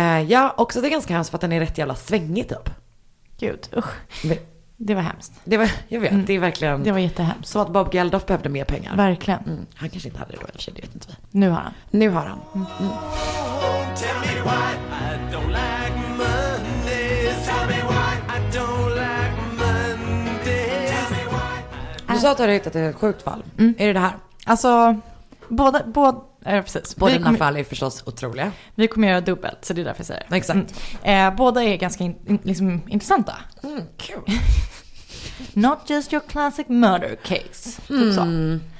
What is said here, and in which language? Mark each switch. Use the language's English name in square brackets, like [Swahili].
[Swedish] Ja, också det är ganska hemskt för att den är rätt jävla svängig typ. Gud, usch. Det var hemskt. Det var, jag vet, det är verkligen. Det var jättehemskt. Så att Bob Geldof behövde mer pengar. Verkligen. Mm. Han kanske inte hade det då, eller så, det vet inte vi. Nu har han. Nu har han. [English] Tell me why I don't like Mondays. Tell me why I don't like Mondays. [Swedish] Du sa att du hade hittat ett sjukt fall. Mm. Är det det här? Alltså, båda dina fall är förstås otroliga. Vi kommer göra dubbelt, så det är därför jag säger det. Exakt. Båda är ganska liksom intressanta. Cool. [English] Not just your classic murder case. [Swedish] Så.